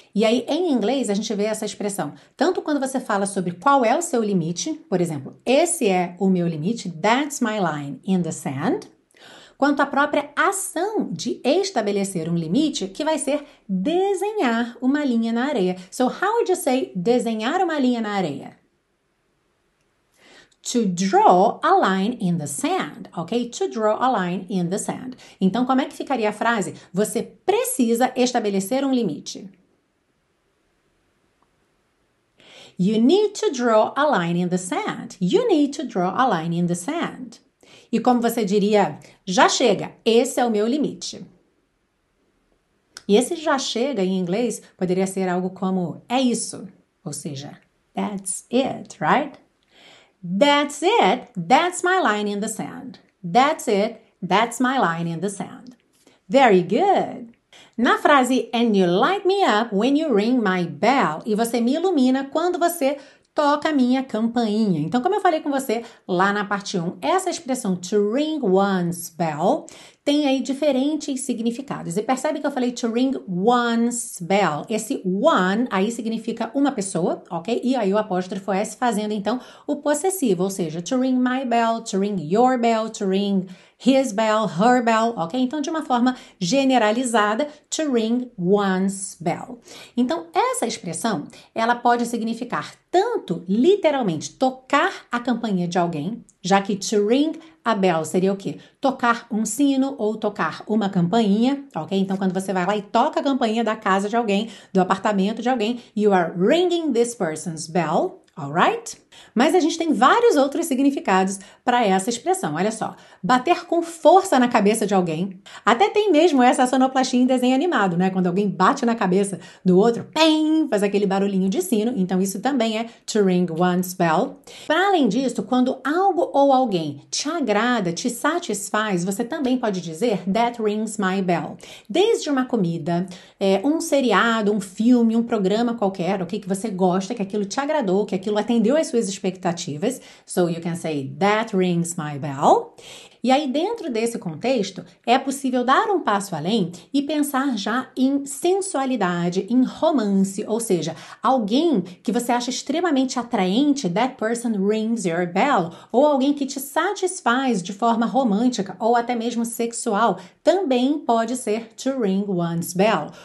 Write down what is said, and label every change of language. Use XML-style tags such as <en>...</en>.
<pt>E aí, em inglês, a gente vê essa expressão. Tanto quando você fala sobre qual é o seu limite, por exemplo, esse é o meu limite,</pt> <en>that's my line in the sand,</en> <pt>quanto a própria ação de estabelecer um limite, que vai ser desenhar uma linha na areia.</pt> <en>So, how would you say</en> <pt>desenhar uma linha na areia?</pt> <en>To draw a line in the sand, ok? To draw a line in the sand.</en> <pt>Então, como é que ficaria a frase? Você precisa estabelecer um limite.</pt> <en>You need to draw a line in the sand. You need to draw a line in the sand.</en> <pt>E como você diria, já chega, esse é o meu limite. E esse já chega em inglês poderia ser algo como, é isso. Ou seja,</pt> <en>that's it, right? That's it, that's my line in the sand. That's it, that's my line in the sand. Very good.</en> <pt>Na frase,</pt> <en>and you light me up when you ring my bell.</en> <pt>E você me ilumina quando você toca a minha campainha. Então, como eu falei com você lá na parte 1, essa expressão</pt> <en>to ring one's bell</en> <pt>tem aí diferentes significados. E percebe que eu falei</pt> <en>to ring one's bell.</en> <pt>Esse one aí significa uma pessoa, ok? E aí o apóstrofo S fazendo, então, o possessivo. Ou seja,</pt> <en>to ring my bell, to ring your bell, to ring his bell, her bell,</en> <pt>ok? Então, de uma forma generalizada,</pt> <en>to ring one's bell.</en> <pt>Então, essa expressão, ela pode significar tanto, literalmente, tocar a campainha de alguém, já que</pt> <en>to ring a bell</en> <pt>seria o quê? Tocar um sino ou tocar uma campainha, ok? Então, quando você vai lá e toca a campainha da casa de alguém, do apartamento de alguém,</pt> <en>you are ringing this person's bell, alright?</en> <pt>Mas a gente tem vários outros significados para essa expressão, olha só. Bater com força na cabeça de alguém. Até tem mesmo essa sonoplastia em desenho animado, né? Quando alguém bate na cabeça do outro, pam, faz aquele barulhinho de sino. Então, isso também é</pt> <en>to ring one's bell.</en> <pt>Para além disso, quando algo ou alguém te agrada, te satisfaz, você também pode dizer</pt> <en>that rings my bell.</en> <pt>Desde uma comida, um seriado, um filme, um programa qualquer, ok? Que você gosta, que aquilo te agradou, que aquilo atendeu as suas expectativas.</pt> <en>So, you can say that rings my bell.</en> <pt>E aí, dentro desse contexto, é possível dar um passo além e pensar já em sensualidade, em romance, ou seja, alguém que você acha extremamente atraente,</pt> <en>that person rings your bell,</en> <pt>ou alguém que te satisfaz de forma romântica ou até mesmo sexual, também pode ser</pt> <en>to ring one's bell.</en>